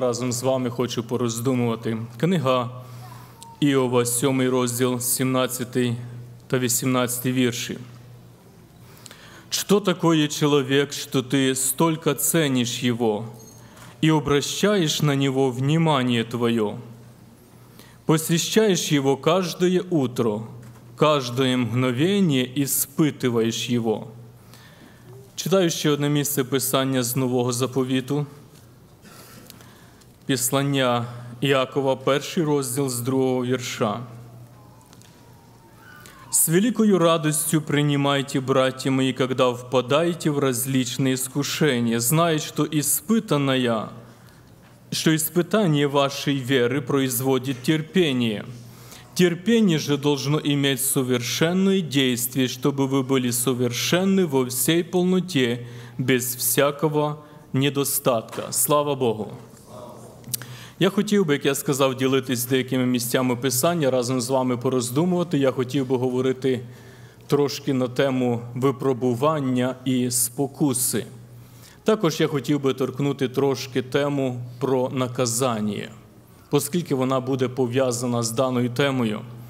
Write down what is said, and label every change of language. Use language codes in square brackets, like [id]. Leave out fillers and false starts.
[uk] Разом з вами хочу пороздумувати. Книга Іова, 7 розділ, 17 та 18 вірші. «Що такое чоловік, що ти столько цениш його і обращаєш на нього внимание твоє? [ru] Посещаешь его каждое утро, каждое мгновение испытываешь его». [uk] Читаю ще одне місце писання з Нового Заповіту. Послання Якова, перший розділ з другого вірша. [ru] «С великою радостью принимайте, братья мои, когда впадаете в различные искушения, зная, что испытанная, что испытание вашей веры производит терпение. Терпение же должно иметь совершенное действие, чтобы вы были совершенны во всей полноте, без всякого недостатка». [uk] Слава Богу! Я хотів би, як я сказав, ділитись деякими місцями Писання, разом з вами пороздумувати. Я хотів би говорити трошки на тему випробування і спокуси. Також я хотів би торкнути трошки тему про наказання, оскільки вона буде пов'язана з даною темою.